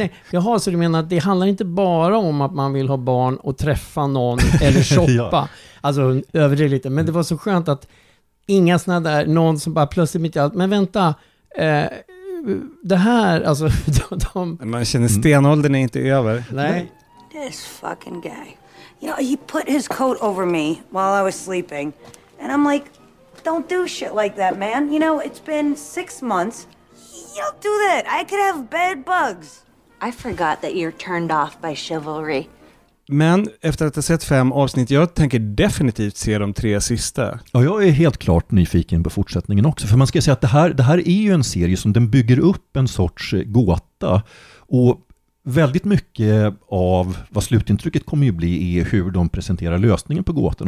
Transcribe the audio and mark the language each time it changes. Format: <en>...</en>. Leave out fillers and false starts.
<sv>Jaha, så du menar att det handlar inte bara om att man vill ha barn och träffa någon eller shoppa. Alltså, överdrivet lite. Men det var så skönt att inga såna där, någon som bara plötsligt mitt i allt, men vänta, det här, alltså de... Man känner stenåldern är inte över. Nej.</sv> <en>This fucking guy. You know, he put his coat over me while I was sleeping. And I'm like, don't do shit like that, man. You know, it's been 6 months. You don't do that. I could have bed bugs. I forgot that you're turned off by chivalry.</en> <sv>Men efter att ha sett 5 avsnitt, jag tänker definitivt se de 3 sista. Ja, jag är helt klart nyfiken på fortsättningen också. För man ska säga att det här är ju en serie som den bygger upp en sorts gåta. Och väldigt mycket av vad slutintrycket kommer ju bli är hur de presenterar lösningen på gåtan.</sv>